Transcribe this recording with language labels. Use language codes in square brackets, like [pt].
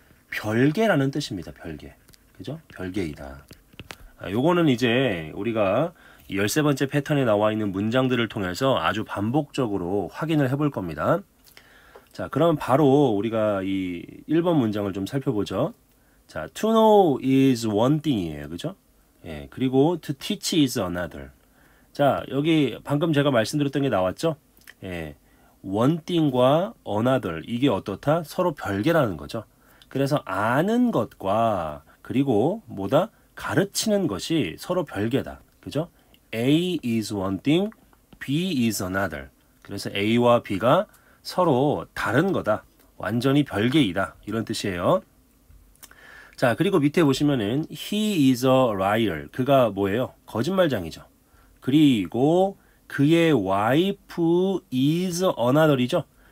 [ko] 별개라는 뜻입니다. 별개. 그죠? 별개이다. 요거는 이제 우리가 13번째 패턴에 나와 있는 문장들을 통해서 아주 반복적으로 확인을 해볼 겁니다. 자, 그럼 바로 우리가 이 1번 문장을 좀 살펴보죠. [en] 자, to know is one thing이에요. [ko] 그죠? 예, 그리고 [en] to teach is another. [ko] 자, 여기 방금 제가 말씀드렸던 게 나왔죠? [en] 예, one thing과 another. [ko] 이게 어떻다? 서로 별개라는 거죠. 그래서 아는 것과 그리고 뭐다? 가르치는 것이 서로 별개다. 그죠? [en] A is one thing, B is another. [ko] 그래서 A와 B가 서로 다른 거다. 완전히 별개이다. 이런 뜻이에요. 자, 그리고 밑에 보시면은 [en] he is a liar. [ko] 그가 뭐예요? 거짓말쟁이죠. 그리고 그의 와이프 [en] is another [ko] 이죠.